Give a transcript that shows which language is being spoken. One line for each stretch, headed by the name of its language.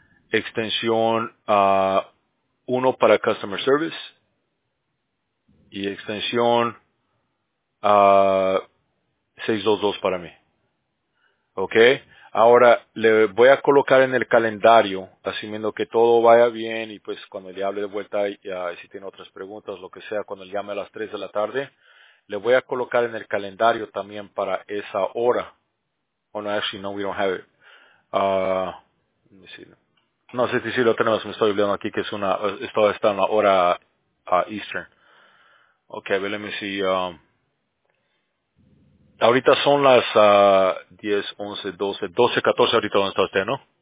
Spanish: Extensión 1 para customer service y extensión 622 para mí. Okay. Ahora le voy a colocar en el calendario, asumiendo que todo vaya bien y pues cuando le hable de vuelta y si tiene otras preguntas, lo que sea, cuando le llame a las 3 de la tarde, le voy a colocar en el calendario también para esa hora.
English: Oh no, actually no, we don't have it.
Spanish: No sé si lo tenemos, me estoy olvidando aquí que es una, esto está en la hora Eastern.
English: Okay, but let me see.
Spanish: Ahorita son las 10, 11, 12, 12, 14, ahorita donde está usted, ¿no?